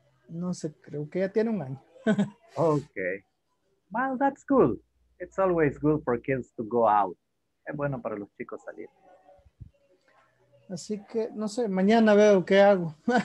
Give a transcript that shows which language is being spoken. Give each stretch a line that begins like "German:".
Spanish: No sé, creo que ya tiene un año.
English: Okay. Well, that's cool. It's always good for kids to go out.
Spanish: Es bueno para los chicos salir. Así que, no sé, mañana veo qué hago.